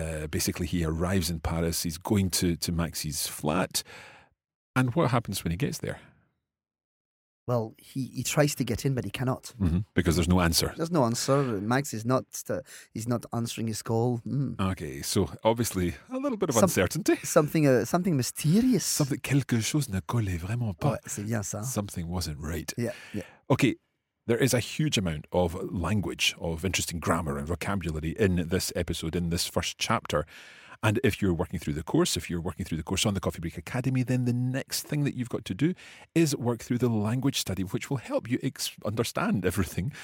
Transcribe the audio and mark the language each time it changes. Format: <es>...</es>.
<en>Basically, he arrives in Paris. He's going to Max's flat. And what happens when he gets there? Well, he tries to get in, but he cannot. Mm-hmm. Because there's no answer. There's no answer. Max is not he's not answering his call. Mm. Okay, so obviously a little bit of uncertainty. Something mysterious.</en> <fr>Something, quelque chose ne collait vraiment pas. Oh, c'est bien ça.</fr> <en>Something wasn't right. Yeah. Okay. There is a huge amount of language, of interesting grammar and vocabulary in this episode, in this first chapter. And if you're working through the course, if you're working through the course on the Coffee Break Academy, then the next thing that you've got to do is work through the language study, which will help you understand everything.</en>